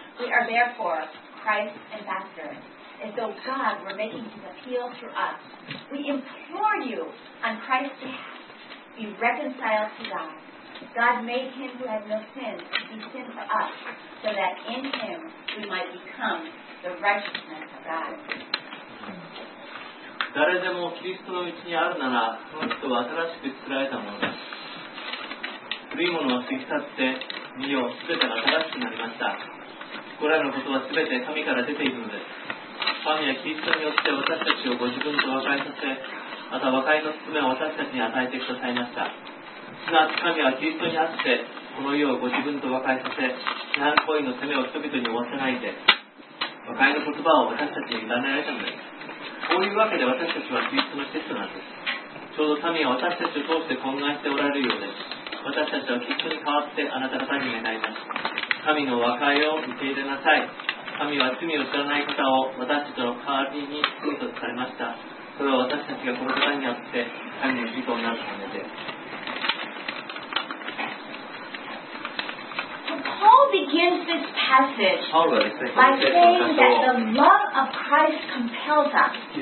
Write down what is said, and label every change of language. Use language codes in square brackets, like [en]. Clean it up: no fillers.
[en] We are therefore Christ's ambassadors, as though God were making his appeal through us. We implore you on Christ's behalf, be reconciled to God. God made him who had no sin to be sin for us, so that in him we might become the righteousness of God. [ja] 誰でもキリストのうちにあるなら、その人は新しく作られたものです。古いものは過ぎ去って、身を全てが新しくなりました。これらのことは全て神から出ているのです。神はキリストによって私たちをご自分と和解させ、また和解の務めを私たちに与えてくださいました。すなわち神はキリストにあって、この世をご自分と和解させ、批判行為の責めを人々に負わせないで、和解の言葉を私たちに委ねられたのです。こういうわけで私たちはキリストの使徒なんです。ちょうど神は私たちを通して懇願しておられるようです。私たちはキリストに代わってあなた方に願います。神の和解を受け入れなさい。神は罪を知らない方を私たちの代わりに救うとされました。それは私たちがこの方にあって神の義となるためです。 [en] Paul begins this passage by saying that the love of Christ compels us.